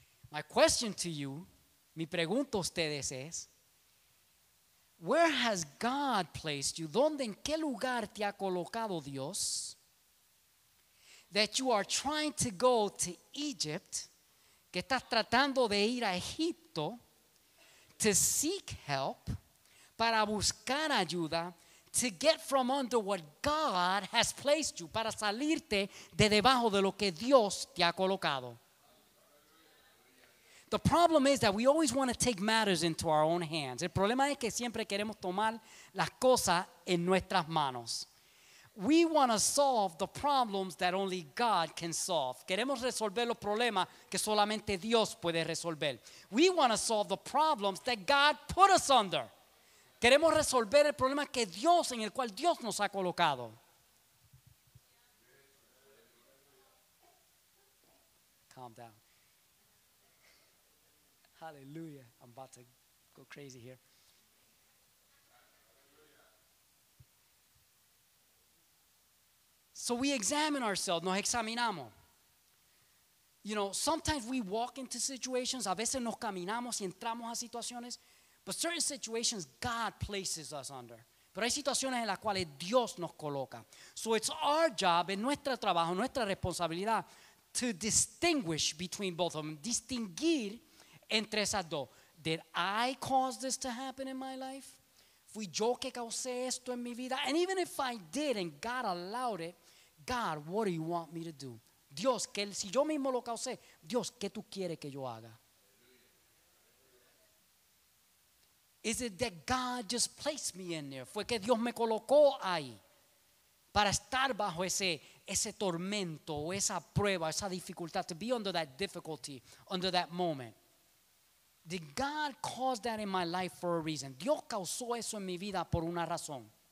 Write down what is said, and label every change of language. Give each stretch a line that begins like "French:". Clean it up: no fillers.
English: My question to you,
Spanish: mi pregunta a ustedes es,
English: where has God placed you?
Spanish: ¿Dónde, en qué lugar te ha colocado Dios?
English: That you are trying to go to Egypt,
Spanish: que estás tratando de ir a Egipto,
English: to seek help,
Spanish: para buscar ayuda,
English: to get from under what God has placed you,
Spanish: para salirte de debajo de lo que Dios te ha colocado.
English: The problem is that we always want to take matters into our own hands.
Spanish: El problema es que siempre queremos tomar las cosas en nuestras manos.
English: We want to solve the problems that only God can solve.
Spanish: Queremos resolver los problemas que solamente Dios puede resolver.
English: We want to solve the problems that God put us under.
Spanish: Queremos resolver el problema que Dios, en el cual Dios nos ha colocado.
English: Calm down. Hallelujah. I'm about to go crazy here. So we examine ourselves,
Spanish: nos examinamos.
English: You know, sometimes we walk into situations,
Spanish: a veces nos caminamos y entramos a situaciones,
English: but certain situations God places us under.
Spanish: Pero hay situaciones en las cuales Dios nos coloca.
English: So it's our job,
Spanish: es nuestro trabajo, nuestra responsabilidad,
English: to distinguish between both of them,
Spanish: distinguir entre esas dos.
English: Did I cause this to happen in my life?
Spanish: Fui yo que causé esto en mi vida.
English: And even if I did and God allowed it, God, what do you want me to do?
Spanish: Dios, que si yo mismo lo causé, Dios, ¿qué tú quieres que yo haga?
English: Is it that God just placed me in there?
Spanish: Fue que Dios me colocó ahí para estar bajo ese tormento, o esa prueba, esa dificultad,
English: to be under that difficulty, under that moment. Did God cause that in my life for a reason?
Spanish: Dios causó eso en mi vida por una razón.